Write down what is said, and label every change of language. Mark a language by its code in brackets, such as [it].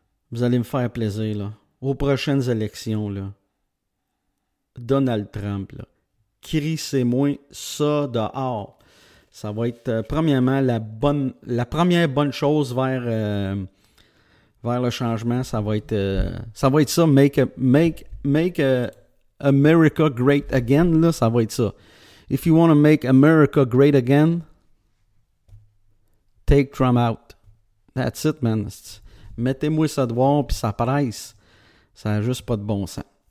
[fr] Vous allez me faire plaisir, là. Aux prochaines élections, là. Donald Trump, là. crissez-moi ça dehors. Ça va être premièrement la première bonne chose vers le changement. Ça va être ça. Make America great again. Là, ça va être ça. [en] If you want to make America great again, take Trump out. That's it, man. [fr] Mettez-moi ça dehors puis ça presse. Ça n'a juste pas de bon sens.